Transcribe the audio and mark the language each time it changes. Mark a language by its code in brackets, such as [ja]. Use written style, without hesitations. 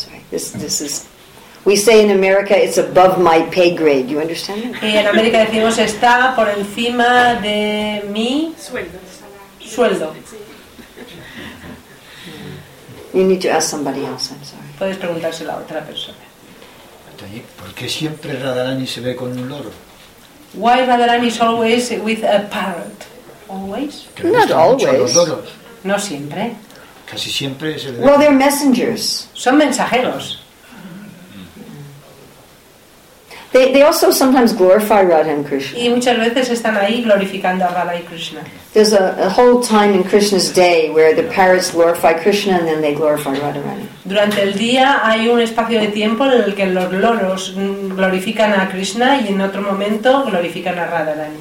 [en] This is We say in America it's above my pay grade. You understand? [es] En América decimos está por encima de mi sueldo. [en] You need to ask somebody else. I'm sorry. [es] Puedes preguntárselo a otra persona. ¿Por qué siempre Radharani se ve con un loro? [en] Why Radharani is always with a parrot? Always? Not always. [es] No siempre. Casi siempre se ve. [en] Well, they're messengers. [es] Son mensajeros. [en] They also sometimes glorify Radha and Krishna. [es] Y muchas veces están ahí glorificando a Radha y Krishna. [en] There's a whole time in Krishna's day where the parrots glorify Krishna and then they glorify Radharani. [es] Durante el día hay un espacio de tiempo en el que los loros glorifican a Krishna y en otro momento glorifican a Radharani.